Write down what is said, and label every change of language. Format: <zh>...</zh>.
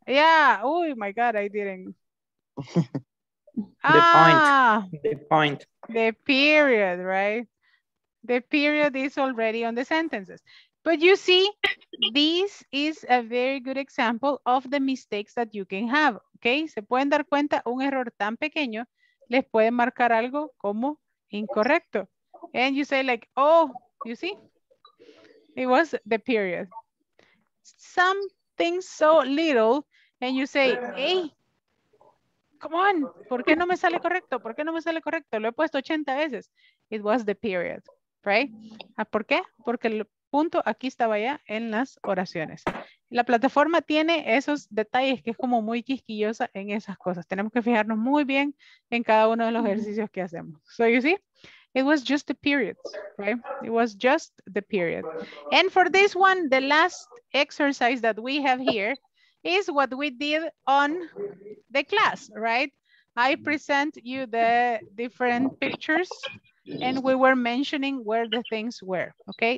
<en>Yeah, oh my God, I didn't. The point. The period, right? The period is already on the sentences. But you see, this is a very good example of the mistakes that you can have, okay?</en> <es>Se pueden dar cuenta, un error tan pequeño les puede marcar algo como incorrecto.</es> <en>And you say like, oh, you see, it was the period. Something so little, and you say, hey, come on,</en> <es>¿por qué no me sale correcto?</es> <en>¿Por qué no me sale correcto?</en> <es>Lo he puesto 80 veces.</es> <en>It was the period, right?</en> <es>¿Por qué? Porque el punto aquí estaba ya en las oraciones. La plataforma tiene esos detalles que es como muy quisquillosa en esas cosas. Tenemos que fijarnos muy bien en cada uno de los ejercicios que hacemos.</es> <en>So you see? It was just the period, right? It was just the period. And for this one, the last exercise that we have here is what we did on the class, right? I present you the different pictures and we were mentioning where the things were, okay?</en>